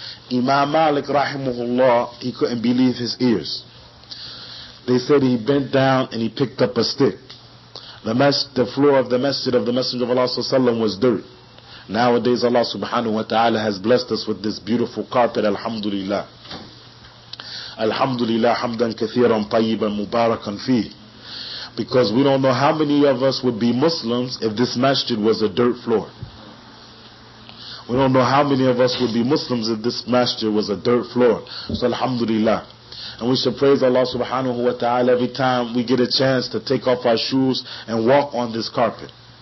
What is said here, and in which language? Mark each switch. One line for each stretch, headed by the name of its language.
English: Imam Malik rahimahullah, he couldn't believe his ears. They said he bent down and he picked up a stick. The floor of the masjid of the Messenger of Allah sallallahu alaihi wasallam was dirt. Nowadays Allah subhanahu wa ta'ala has blessed us with this beautiful carpet, alhamdulillah.
Arabic: الحمد لله حمدا كثيرا طيبا مباركا فيه.
English: Because we don't know how many of us would be Muslims if this masjid was a dirt floor. We don't know how many of us would be Muslims if this masjid was a dirt floor. So alhamdulillah. And we should praise Allah subhanahu wa ta'ala every time we get a chance to take off our shoes and walk on this carpet.